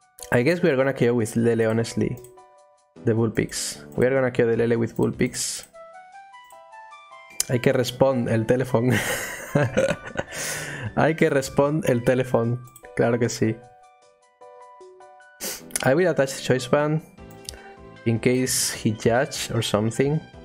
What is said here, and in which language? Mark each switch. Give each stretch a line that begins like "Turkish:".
English: I guess we are gonna KO with Lele, honestly. The Vulpix. We are gonna KO the Lele with Vulpix.
Spanish: Hay que respond el teléfono. Hay que respond el teléfono. Claro que sí.
English: I will attach the choice band in case he judge or something.